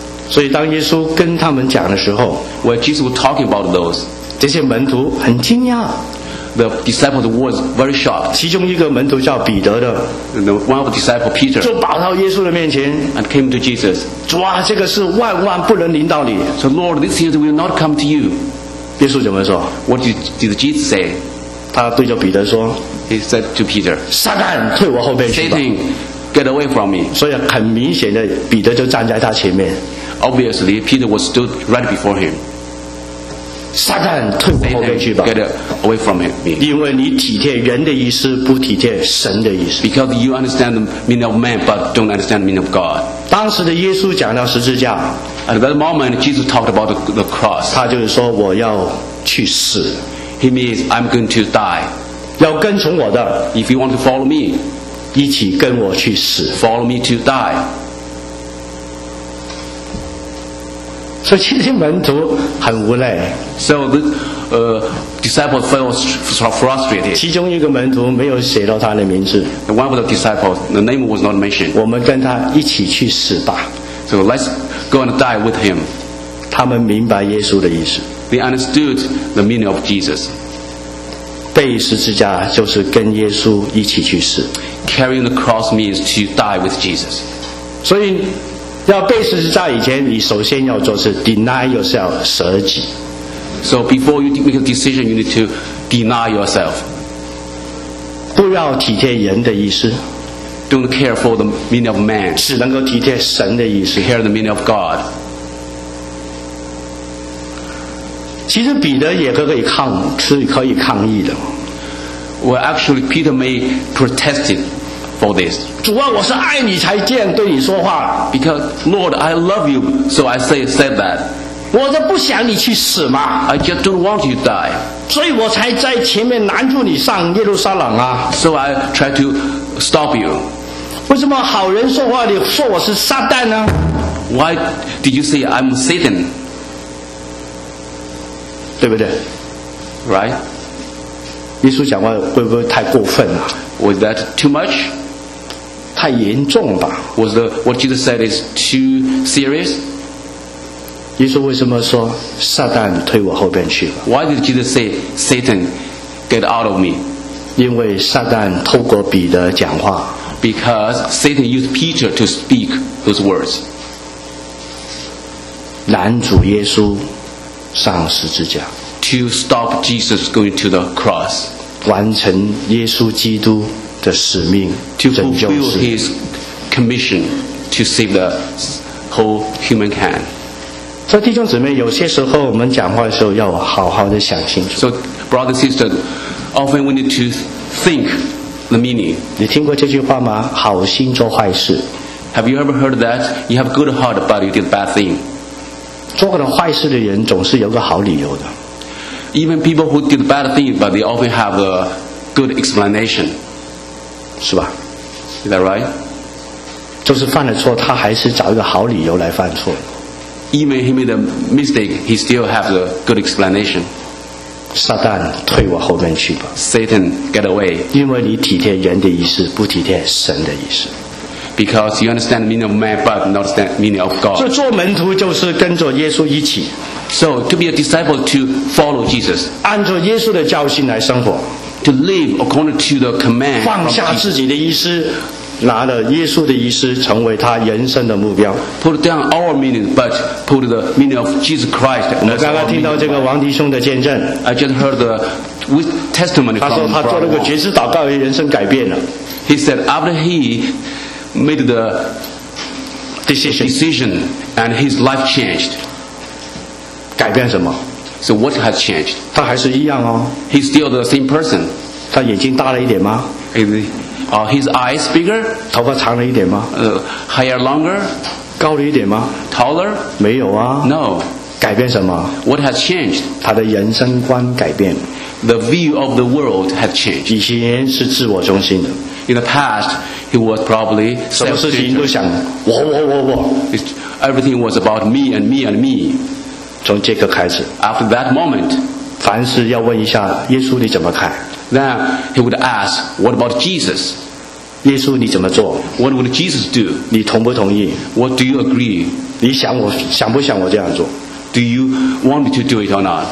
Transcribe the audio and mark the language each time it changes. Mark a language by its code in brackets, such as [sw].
[zh] 所以当耶稣跟他们讲的时候 [en] While Jesus was talking about those [zh] 这些门徒很惊讶 [en] The disciples were very shocked [zh] 其中一个门徒叫彼得的 [en] One of the disciples, Peter [zh] 就跑到耶稣的面前 [en] And came to Jesus [zh] 主啊这个事万万不能临到你 [en] So Lord, this thing will not come to you [zh] 耶稣怎么说 [en] What did Jesus say? [zh] 他对着彼得说 [en] He said to Peter [zh] 撒旦退我后面去吧 [en] Satan, get away from me [zh] 所以很明显的彼得就站在他前面 [en] Obviously, Peter was stood right before him [zh] 撒旦退我后面去吧 [en] Get away from me [zh] 因为你体贴人的意思不体贴神的意思 [en] Because you understand the meaning of man but don't understand the meaning of God [zh] 当时的耶稣讲到十字架 [en] At that moment Jesus talked about the cross [zh] 他就是说我要去死 [en] He means I'm going to die [zh] 要跟从我的 [en] If you want to follow me [zh] 一起跟我去死 [en] Follow me to die [zh] 所以这些门徒很无奈 [en] So the disciples felt frustrated [zh] 其中一个门徒没有写到他的名字 [en] One of the disciples, the name was not mentioned [zh] 我们跟他一起去死吧 [en] So let's go and die with him [zh] 他们明白耶稣的意思 [en] They understood the meaning of Jesus [zh] 背十字架就是跟耶稣一起去死。 [en] Carrying the cross means to die with Jesus. [zh] 所以要背十字架以前，你首先要做是 [en] deny yourself, [zh] 舍己。 [en] So before you make a decision, you need to deny yourself. [zh] 不要体贴人的意思。 [en] Don't care for the meaning of man. [zh] 只能够体贴神的意思。 [en] Care the meaning of God. [zh] 其实彼得也可以抗，是可以抗议的。 [en] Well, actually, Peter may protested for this. [zh] 主啊，我是爱你才这样对你说话。 [en] Because Lord, I love you, so I said that. [zh] 我是不想你去死嘛。 [en] I just don't want you to die. [zh] 所以我才在前面拦住你上耶路撒冷啊。 [en] So I try to stop you. [zh] 为什么好人说话你说我是撒旦呢 [en] ？Why did you say I'm Satan? [zh] 对不对 [en] ？Right， [zh] 耶稣讲话会不会太过分了、啊、 [en] ？Was that too much？ [zh] 太严重了吧 [en] ？Was the what Jesus said is too serious？ [zh] 耶稣为什么说撒旦推我后边去 [en] ？Why did Jesus say Satan get out of me？ [zh] 因为撒旦透过彼得讲话。 [en] Because Satan used Peter to speak those words。 [zh] 拦阻耶稣。上十字架 [en] to stop Jesus going to the cross [zh] 完成耶稣基督的使命 [en] to fulfill his commission to save the whole humankind [zh] 所以弟兄姊妹有些时候我们讲话的时候要好好的想清楚 [en] so brother and sister often we need to think the meaning [zh] 你听过这句话吗好心做坏事 [en] have you ever heard that you have good heart but you did a bad thing [zh] 做个坏事的人总是有个好理由的。 [en] Even people who did bad things, but they often have a good explanation. [zh] 是吧 [en] Is that right? [zh] 就是犯了错他还是找一个好理由来犯错。 [en] Even he made a mistake, he still has a good explanation. [zh] 撒旦退我后面去吧。 [en] Satan, get away. [zh] 因为你体贴人的意思不体贴神的意思。 [en] Because you understand the meaning of man, but not understand the meaning of God. [zh] 做门徒就是跟着耶稣一起。 [en] So to be a disciple, to follow Jesus. [zh] 按照耶稣的教训来生活。 [en] To live according to the command. [zh] 放下自己的意思，拿了耶稣的意思成为他人生的目标。 [en] Put down our meaning, but put the meaning of Jesus Christ. [zh] 我刚刚听到这个王迪兄的见证。 [en] I just heard the testimony from. [zh] 他说他做了个决志祷告，人生改变了。 [en] He said after he. Made the decision and his life changed. [zh] 改变什么 [en] So what has changed? [zh] 他还是一样哦 [en] He's still the same person. [zh] 他眼睛大了一点吗 [en] His eyes bigger? [zh] 头发长了一点吗 [en] Hair longer? [zh] 高了一点吗 [en] Taller? [zh] 没有啊 [en] No. [zh] 改变什么 [en] What has changed? [zh] 他的人生观改变 [en] The view of the world has changed. [zh] 以前是自我中心的 [en] In the past,He was probably [zh] 什么事情都想我 [en] Everything was about me and me and me [zh] 从这个开始 [en] After that moment [zh] 凡事要问一下耶稣你怎么看 [en] Then he would ask What about Jesus [zh] 耶稣你怎么做 [en] What would Jesus do [zh] 你同不同意 [en] What do you agree [zh] 你想我想不想我这样做 [en] Do you want me to do it or not